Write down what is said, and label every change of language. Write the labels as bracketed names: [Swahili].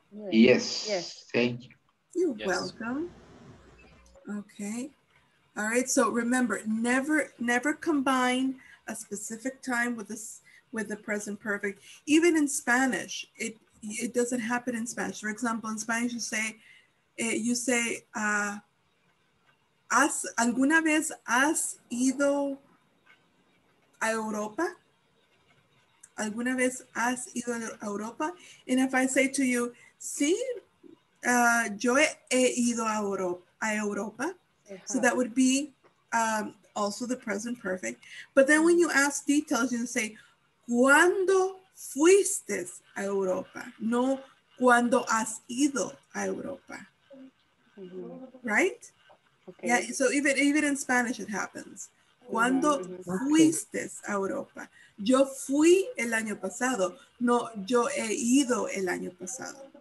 [English] Yes. Thank you. You're welcome. Okay. All right. So remember, never combine a specific time with the present perfect. Even in Spanish, it doesn't happen in Spanish. For example, in Spanish, you say, you say, [Spanish] ¿has, alguna vez has ido a Europa? ¿Alguna vez has ido a Europa? [English] And if I say to you, [Spanish] sí, yo he ido a Europa. [English] Uh-huh. So that would be also the present perfect. But then when you ask details, you say, [Spanish] ¿cuándo fuiste a Europa? No, ¿cuándo has ido a Europa? [English] Mm-hmm. Right? Okay. Yeah, so even in Spanish it happens. [Spanish] ¿Cuándo fuiste a Europa? Yo fui el año pasado. No, yo he ido el año pasado.